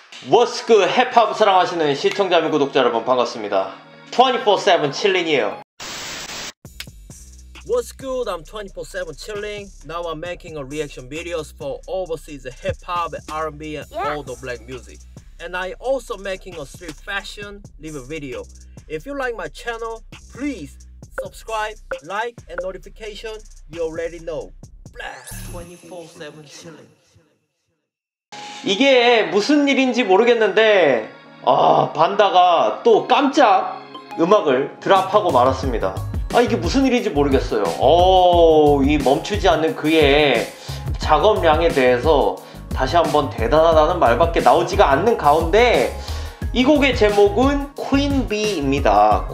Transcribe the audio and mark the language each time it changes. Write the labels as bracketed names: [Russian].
[English] What's good, [Korean] 헵합 사랑하시는 시청자 및 구독자 여러분 반갑습니다. 24/7 chilling이에요. [English] What's good, I'm 24/7 chilling. Now I'm making a reaction videos for overseas hip-hop, R&B and all the black music. And I also making a street fashion live video. If you like my channel, please subscribe, like and notification, you already know. Blast 24/7 chilling. [Korean] 이게 무슨 일인지 모르겠는데 아 반다가 또 깜짝 음악을 드랍하고 말았습니다. 아 이게 무슨 일인지 모르겠어요. 이 멈추지 않는 그의 작업량에 대해서 다시 한번 대단하다는 말밖에 나오지가 않는 가운데 이 곡의 제목은 퀸비입니다.